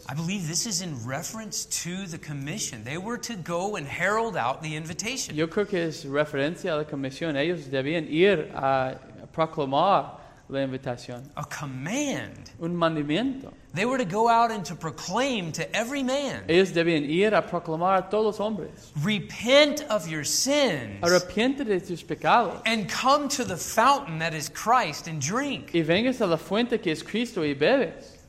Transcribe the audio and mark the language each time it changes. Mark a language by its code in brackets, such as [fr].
[en] I believe this is in reference to the commission. They were to go and herald out the invitation. [es] Yo creo que es referencia a la comisión. Ellos debían ir a proclamar la invitación. [en] A command. [es] Un mandamiento. [en] They were to go out and to proclaim to every man. [es] Ellos debían ir a proclamar a todos los hombres. [en] Repent of your sins. [es] Arrepiente de tus pecados. [en] And come to the fountain that is Christ and drink. [es] Y vengas a la fuente que es Cristo y bebes.